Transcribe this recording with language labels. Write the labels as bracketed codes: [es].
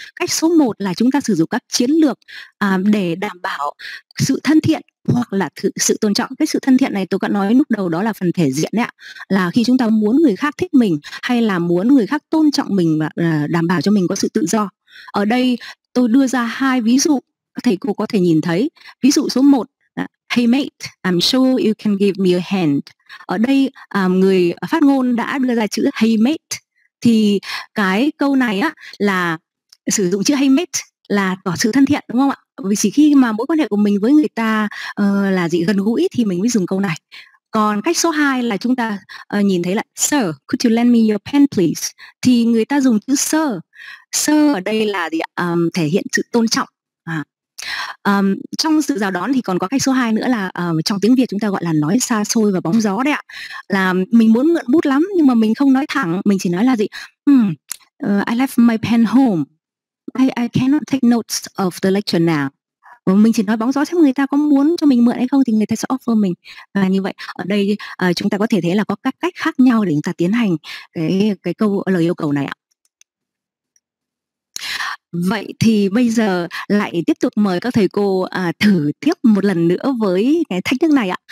[vi] Cách số 1 là chúng ta sử dụng các chiến lược để đảm bảo sự thân thiện hoặc là sự tôn trọng. Cái sự thân thiện này tôi đã nói lúc đầu, đó là phần thể diện đấy ạ, là khi chúng ta muốn người khác thích mình hay là muốn người khác tôn trọng mình và đảm bảo cho mình có sự tự do. Ở đây tôi đưa ra hai ví dụ các thầy cô có thể nhìn thấy. Ví dụ số 1, [en] hey mate, I'm sure you can give me a hand. [vi] Ở đây người phát ngôn đã đưa ra chữ hey mate, thì cái câu này á là sử dụng chữ hey mate là tỏ sự thân thiện, đúng không ạ? Vì chỉ khi mà mối quan hệ của mình với người ta là gì gần gũi thì mình mới dùng câu này. Còn cách số 2 là chúng ta nhìn thấy là [en] sir, could you lend me your pen please? [vi] Thì người ta dùng chữ sir. Sir ở đây là gì ạ? Thể hiện sự tôn trọng. Trong sự chào đón thì còn có cách số 2 nữa là trong tiếng Việt chúng ta gọi là nói xa xôi và bóng gió đấy ạ. Là mình muốn mượn bút lắm nhưng mà mình không nói thẳng, mình chỉ nói là gì? [en] I left my pen home. I cannot take notes of the lecture now. [vi] Mình chỉ nói bóng gió xem người ta có muốn cho mình mượn hay không thì người ta sẽ offer mình. Và như vậy ở đây chúng ta có thể thấy là có các cách khác nhau để chúng ta tiến hành cái câu lời yêu cầu này ạ. Vậy thì bây giờ lại tiếp tục mời các thầy cô thử tiếp một lần nữa với cái thách thức này ạ.